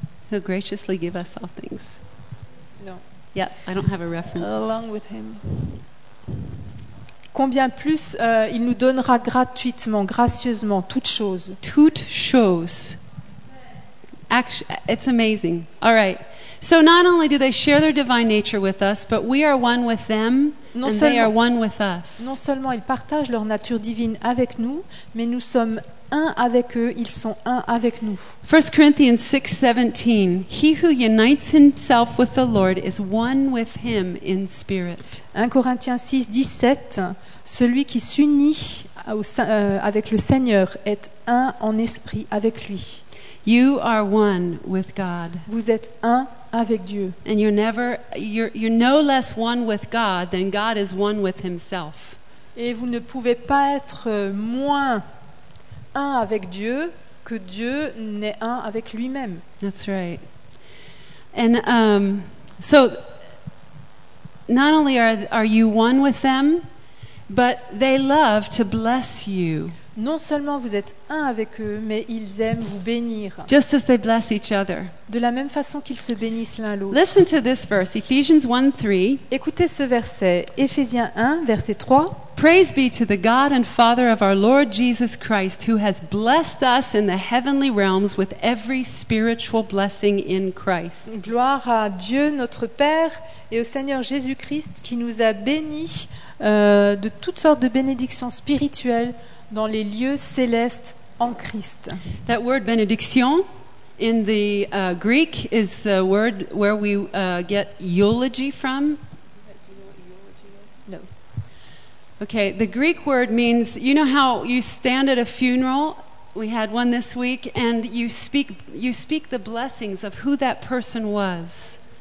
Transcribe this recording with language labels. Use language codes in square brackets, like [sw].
[en] he'll graciously give us all things. No. Yeah, I don't have a reference. Along with him. [fr] Combien plus il nous donnera gratuitement, gracieusement, toutes choses. Toutes choses. [en] It's amazing. All right. So not only do they share their divine nature with us, but we are one with them, [fr] non [en] and they are one with us. [fr] Non seulement ils partagent leur nature divine avec nous, mais nous sommes un avec eux, ils sont un avec nous. [en] 1 Corinthians 6:17. He who unites himself with the Lord is one with him in spirit. [fr] 1 Corinthiens 6:17. Celui qui s'unit avec le Seigneur est un en esprit avec lui. [en] You are one with God. [fr] Vous êtes un avec Dieu. [en] And you're no less one with God than God is one with himself. [fr] Et vous ne pouvez pas être moins un avec Dieu que Dieu n'est un avec lui-même. [en] That's right. And so not only are you one with them, but they love to bless you. [fr] Non seulement vous êtes un avec eux, mais ils aiment vous bénir. [en] Just as they bless each other. [fr] De la même façon qu'ils se bénissent l'un l'autre. [en] Listen to this verse, Ephesians 1:3. [fr] Écoutez ce verset, Éphésiens 1, verset 3. [en] Praise be to the God and Father of our Lord Jesus Christ, who has blessed us in the heavenly realms with every spiritual blessing in Christ. [fr] Gloire à Dieu notre Père et au Seigneur Jésus-Christ qui nous a bénis de toutes sortes de bénédictions spirituelles dans les lieux célestes en Christ. [en] That word bénédiction in the Greek is the word where we get eulogy from. Okay, the Greek word means, you know how you stand at a funeral, we had one this week, and you speak the blessings of who that person was.